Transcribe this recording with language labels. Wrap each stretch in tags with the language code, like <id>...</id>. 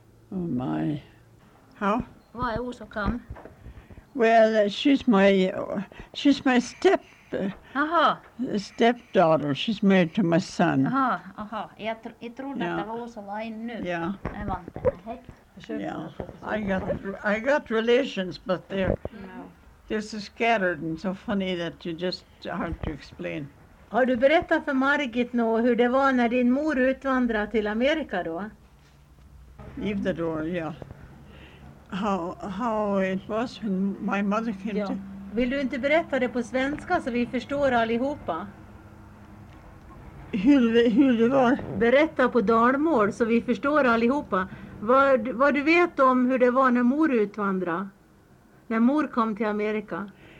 <en>Oh my.</en> <sv>Ja. Vad är Osa kam?</sv> <en>Well, she's my step. Stepdaughter, she's married to my son.</en> <sv>Jag trodde att det var Osa Lain nu. Ja.</sv> <en>Yeah. I got relations, but they're so scattered and so funny that you just hard to explain.</en> <sv>Har du berättat för Margit nu hur det var när din mor utvandrade till Amerika då?</sv> <en>Leave the door, yeah. How it was when my mother came to...</en> <sv>Vill du inte berätta det på svenska så vi förstår allihopa? Hur det var? Berätta på dalmål så vi förstår allihopa. Vad du vet om hur det var när mor utvandrade? När mor kom till Amerika?</sv>